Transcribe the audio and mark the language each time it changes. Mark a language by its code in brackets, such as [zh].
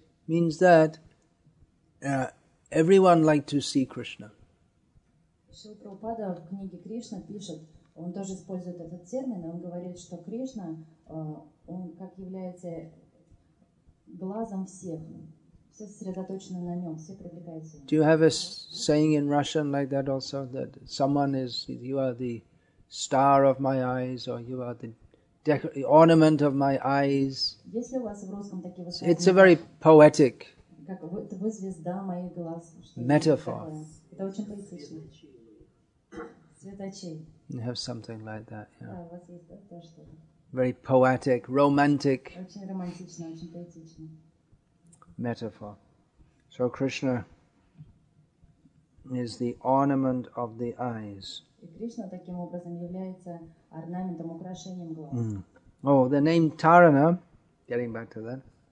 [en] It means that everyone liked to see Krishna. [ru] Srila Prabhupada в книге Krishna пишет, он тоже использует этот термин, он говорит, что Krishna, он как является глазом всех. Все сосредоточено на нем, все привлекаются. [en] Do you have a saying in Russian like that also, that someone is, you are the star of my eyes, or you are the ornament of my eyes? [ru] Если у вас в русском такие высказывания? [en] It's a very poetic [ru] как, вы звезда моих глаз. [en] Metaphor. [ru] Это очень поэтично. Светочей. [en] You have something like that, yeah. [ru] Да, у вас есть то, что... [en] Very poetic, romantic. [ru] Очень романтично, очень поэтично. [en] Metaphor. So Krishna is the ornament of the eyes. [ru] И Кришна таким образом является орнаментом, украшением глаз. [en] Oh, the name Tarana, getting back to that.